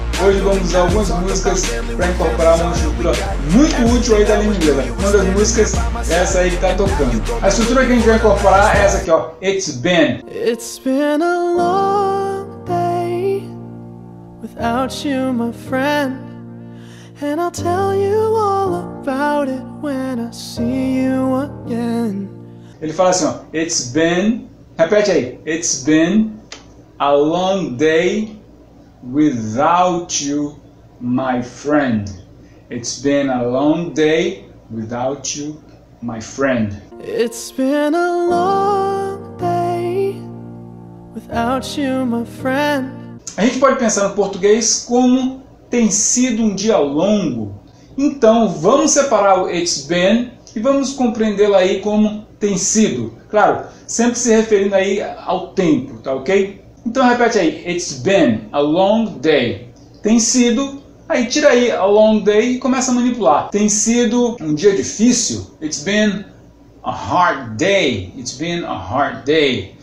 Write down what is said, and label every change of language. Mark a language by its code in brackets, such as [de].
[pt] Hoje vamos usar algumas músicas para incorporar uma estrutura muito útil aí da língua inglesa. Uma das músicas é essa aí que tá tocando. A estrutura que a gente vai incorporar é essa aqui, ó. [en] It's been. It's been a long day without you, my friend. And I'll tell you all about it when I see you again. [pt] Ele fala assim, ó. [en] It's been. [pt] Repete aí. [en] It's been a long day without you, my friend. It's been a long day without you, my friend. It's been a long day without you, my friend. [pt] A gente pode pensar no português como tem sido um dia longo. Então, vamos separar o it's been e vamos compreendê-lo aí como tem sido. Claro, sempre se referindo aí ao tempo, tá ok? Então repete aí, [en] it's been a long day. [pt] Tem sido, aí tira aí a long day e começa a manipular. Tem sido um dia difícil, [en] it's been a hard day, it's been a hard day.